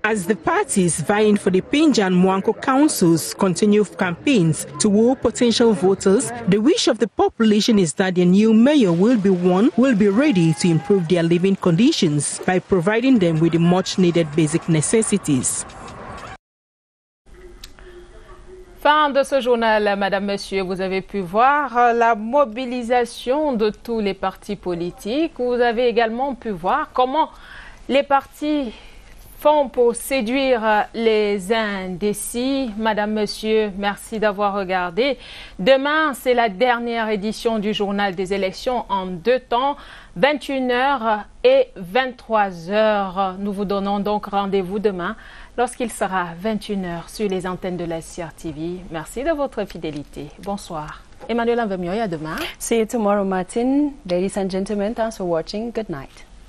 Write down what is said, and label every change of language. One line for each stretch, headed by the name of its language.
English: As the parties vying for the Penja and Mwanko councils continue campaigns to woo potential voters, the wish of the population is that their new mayor will be one who will be ready to improve their living conditions by providing them with the much needed basic necessities.
French: Fin de ce journal, Madame, Monsieur, vous avez pu voir la mobilisation de tous les partis politiques. Vous avez également pu voir comment les partis font pour séduire les indécis. Madame, Monsieur, merci d'avoir regardé. Demain, c'est la dernière édition du journal des élections en deux temps, 21h et 23h. Nous vous donnons donc rendez-vous demain, lorsqu'il sera 21h sur les antennes de la CRTV. Merci de votre fidélité. Bonsoir. Emmanuel Nvemioye, à demain.
English: See you tomorrow, Martin. Ladies and gentlemen, thanks for watching. Good night.